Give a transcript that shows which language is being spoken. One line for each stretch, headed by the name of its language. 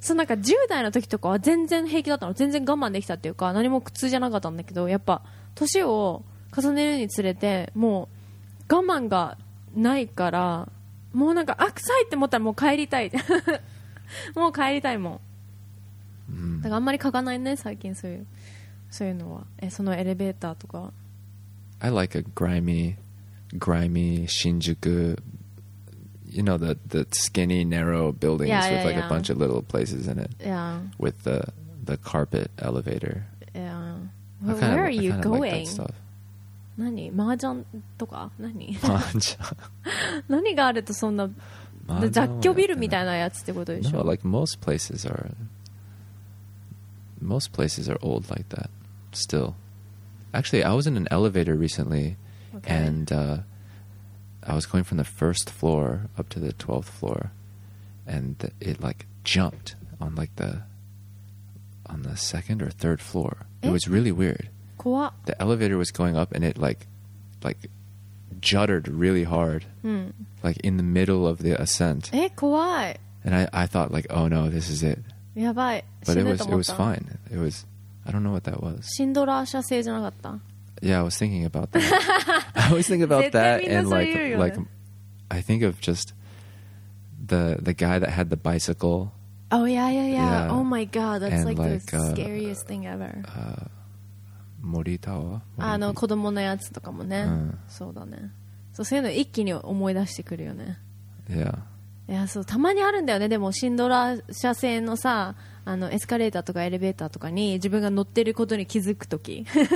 Japanese: そうなんか10代の時とかは全然平気だったの全然我慢できたっていうか何も苦痛じゃなかったんだけどやっぱ年を重ねるにつれてもう我慢がないからもうなんかあ臭いって思ったらもう帰りたいもう帰りたいもん、だからあんまり嗅がないね最近そういうのはそのエレベーターとか
English: I like a grimy Shinjuku, you know, the skinny, narrow buildings with a bunch of little places in it. Yeah. With the carpet elevator. Yeah. Well, kinda, where are you going? I kind of like that stuff.
Japanese: 何麻雀とか何麻雀何があるとそんな雑居ビルみたいなやつってことでしょ
English: No, like most places are old like that, still. Actually, I was in an elevator recently, okay. And I was going from the first floor up to the 12th floor, and it like jumped on like the second or third floor. It was really weird.
Japanese: 怖っ。
English: The elevator was going up, and it like juddered really hard, like in the middle of the ascent.
Japanese: 怖い。
English: And I thought like, oh no, this is it.
Japanese: やばい。
English: But it was fine. It was. I don't know what that was.
Japanese: シンドラー社製じゃなかった?
English: Yeah, I was thinking about that. I always think about that and like I think of just the guy that had the bicycle. Oh yeah. Oh my god, that's like the scariest thing ever. Moritawa?
Japanese: あの子供のやつとかもね。そうだね。そういうの一気に思い出してくるよね。
English: Yeah.
Japanese: いや、そう、たまにあるんだよね。でもシンドラー社製のさ、あのエスカレーターとかエレベーターとかに自分が乗ってることに気づくとき。